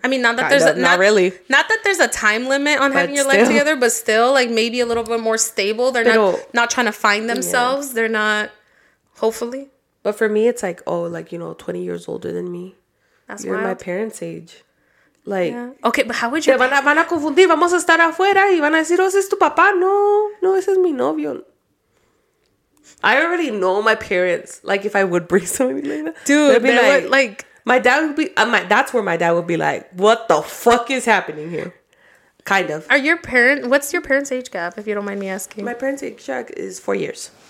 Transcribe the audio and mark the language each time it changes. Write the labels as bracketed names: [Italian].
[English] I mean, not really. Not that there's a time limit on having your life together, but still, like, maybe a little bit more stable. They're not trying to find themselves. Yeah. They're not, hopefully. But for me, it's like, oh, like, you know, 20 years older than me. That's you're wild. My parents' age. Like, yeah. Okay, but how would you? [Spanish] Van a confundir. Vamos a estar afuera y van a decir, [English] oh, [Spanish] ese es tu papá. No, ese es mi novio. [English] I already know my parents. Like, if I would bring somebody like that. Dude, they'd be like my dad would be, that's where my dad would be like, what the fuck is happening here? Kind of. Are your parents, what's your parents' age gap, if you don't mind me asking? My parents' age gap is 4 years.